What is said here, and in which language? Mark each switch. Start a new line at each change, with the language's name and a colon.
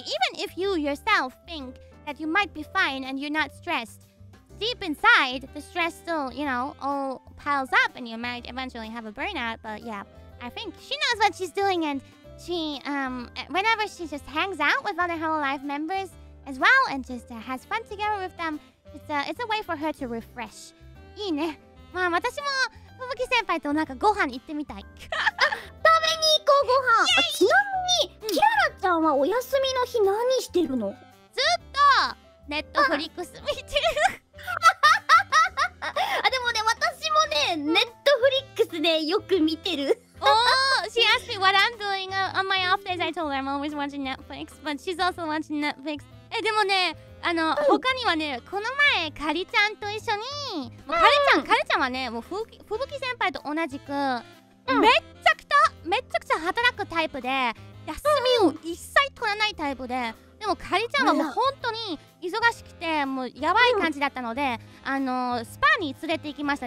English: Even if you yourself think that you might be fine and you're not stressed, deep inside, the stress still, you know, all piles up and you might eventually have a burnout. But yeah. I think she knows what she's doing and she, whenever she just hangs out with other Hololive members as well and just has fun together with them, it's a way for her to refresh.
Japanese: いいね。まあ私も、ふぶき先輩となんかご飯行ってみたい。食べに行こうご飯。ちなみに、キアラちゃんはお休みの日何してるの？ずっとネットフリックス見てる。あ、でもね、私もね、ネットフリックスでよく見てる。
English: Oh, she asked me what I'm doing on my off days. I told her I'm always watching Netflix, but she's also watching Netflix.
Japanese: でもね、あの、他にはね、この前、カリちゃんと一緒に、カリちゃんはね、もう、ふぶき先輩と同じく、めっちゃくちゃめっちゃくちゃ働くタイプで、休みを一切取らないタイプで、でもカリちゃんはもう本当に忙しくてもうやばい感じだったので、スパに連れて行きました。